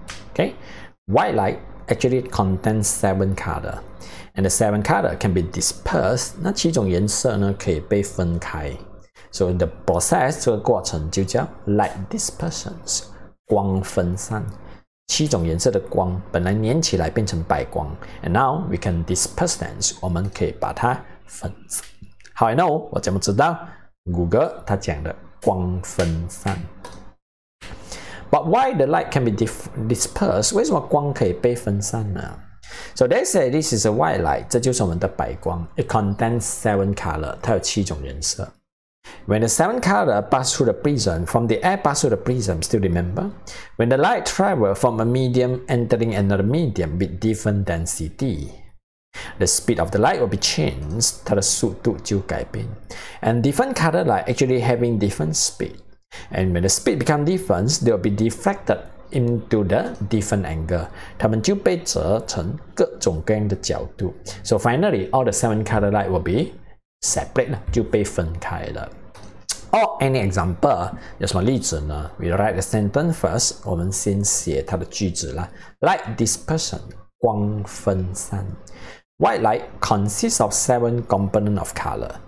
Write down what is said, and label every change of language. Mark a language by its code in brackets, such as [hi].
[en] Okay, white light actually contains seven color, and the seven color can be dispersed. [zh] 那七种颜色呢可以被分开. [en] So the process [zh] 这个过程就叫 [en] Like Dispersions, [zh] 光分散。七种颜色的光本来粘起来变成白光 [en] And now we can disperse them [zh] 我们可以把它分散 [en] How I know? [zh] 我怎么知道 Google 它讲的光分散 [en] But why the light can be dispersed? [zh] 为什么光可以被分散呢 [en] So they say this is a white light [zh] 这就是我们的白光 [en] It contains seven colors [zh] 它有七种颜色 [en] When the seven color pass through the prism, from the air pass through the prism, still remember? When the light travel from a medium entering another medium with different density, the speed of the light will be changed, [zh] 它的速度就改变。 [en] And different color light actually having different speed. And when the speed become different, they will be diffracted into the different angle. [zh] 它们就被折成各种各样的角度。 [en] So finally, all the seven color light will be separate, [zh] 就被分开了。 [en] Or any example, [zh] 有什么例子呢? [en] We write the sentence first, [zh] 我们先写它的句子啦。 [en] Light dispersion, [zh] 光分散。 [en] White light consists of seven components of color.